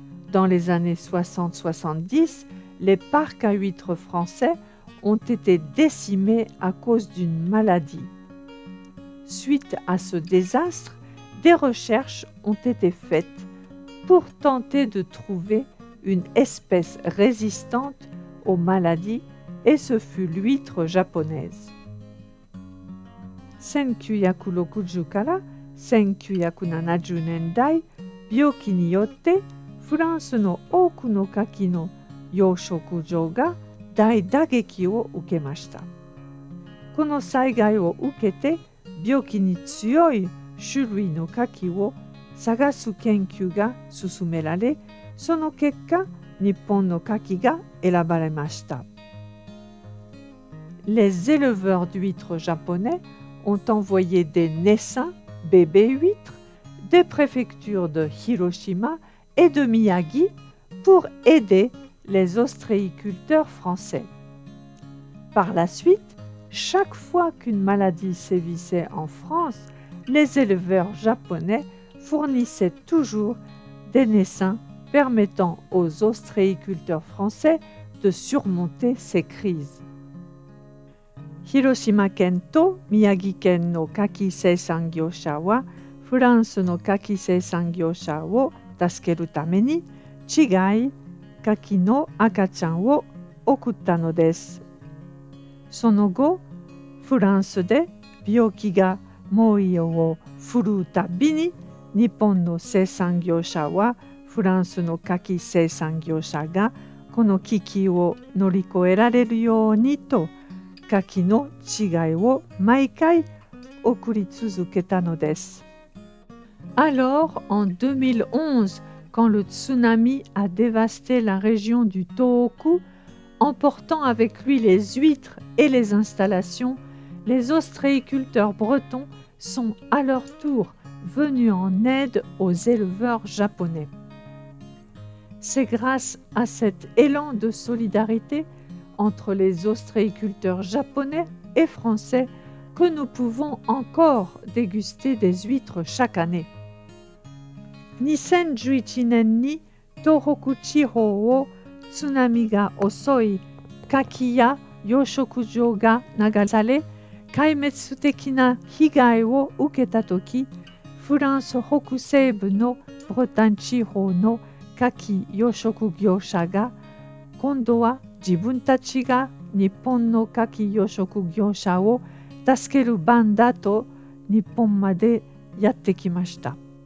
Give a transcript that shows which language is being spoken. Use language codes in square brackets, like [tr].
[fr] Dans les années 60-70, les parcs à huîtres français ont été décimés à cause d'une maladie. Suite à ce désastre, des recherches ont été faites pour tenter de trouver une espèce résistante aux maladies et ce fut l'huître japonaise. [ja] 1960 から 1970 年代、病気によってフランスの多くの牡蠣の養殖場が大打撃を受けました。この災害を受けて、病気に強い種類のカキを探す研究が進められ、その結果、日本のカキが選ばれました。 [fr] Les éleveurs d'huîtres japonais ont envoyé des naissains, bébés huîtres, des préfectures de Hiroshima et de Miyagi pour aider les ostréiculteurs français. Par la suite, chaque fois qu'une maladie sévissait en France, les éleveurs japonais fournissaient toujours des naissains permettant aux ostréiculteurs français de surmonter ces crises. [ja] 広島県と宮城県の牡蠣生産業者はフランスの牡蠣生産業者を助けるために違い牡蠣の赤ちゃんを送ったのです。その後フランスで病気が猛威を振るうたびに日本の生産業者はフランスの牡蠣生産業者がこの危機を乗り越えられるようにとカキの稚貝を毎回送り続けたのです。 [fr] Alors, en 2011, quand le tsunami a dévasté la région du Tohoku, emportant avec lui les huîtres et les installations, les ostréiculteurs bretons sont à leur tour venus en aide aux éleveurs japonais. C'est grâce à cet élan de solidarité entre les ostréiculteurs japonais et français que nous pouvons encore déguster des huîtres chaque année. [ja] 2011 年に東北地方を津波が襲い、カキや養殖場が流され、壊滅的な被害を受けた時、フランス北西部のブレタニュ地方のカキ養殖業者が今度は自分たちが日本の牡蠣養殖業者を助ける番だと日本までやってきました。